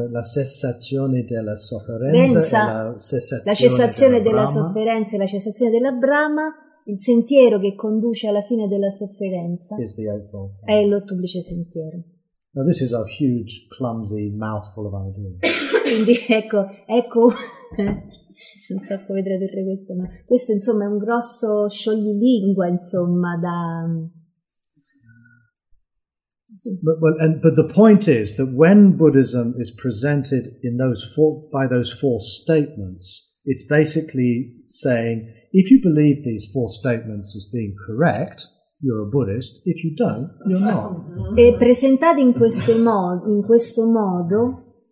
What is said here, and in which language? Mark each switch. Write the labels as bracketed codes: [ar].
[it] la cessazione della sofferenza, la cessazione della brama, il sentiero che conduce alla fine della sofferenza è l'ottuplice sentiero. [en] Now this is a huge, clumsy mouthful of ideas. [it] Quindi ecco, non so come tradurre questo, ma questo insomma è un grosso scioglilingua, insomma, da... Sì. [en] But the point is that when Buddhism is presented in those four statements, it's basically saying, if you believe these four statements as being correct, you're a Buddhist. If you don't, you're not. [it] E presentati in questo modo,